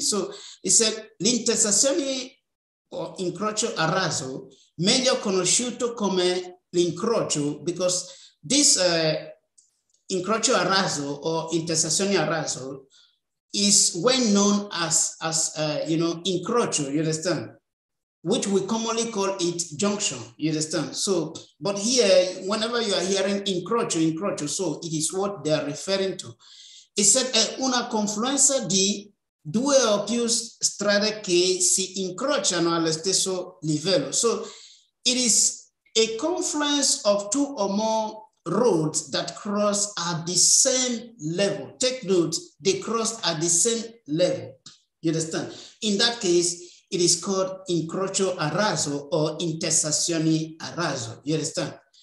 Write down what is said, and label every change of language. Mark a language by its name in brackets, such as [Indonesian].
[English] So it said, [Italian] l'intersezione or incrocio a raso, meglio conosciuto come l'incrocio, [English] because this [Italian] incrocio a raso or intersezione a raso [English] is when known as you know, encroacher, you understand? Which we commonly call it junction, you understand? So, but here, whenever you are hearing encroacher, so it is what they are referring to. It said, [Italian] una confluencia di due o più strade che si incrociano allo stesso livello. [English] So it is a confluence of two or more roads that cross at the same level. Take note, they cross at the same level. You understand? In that case, it is called incrocio a raso or intersezione a raso. You understand?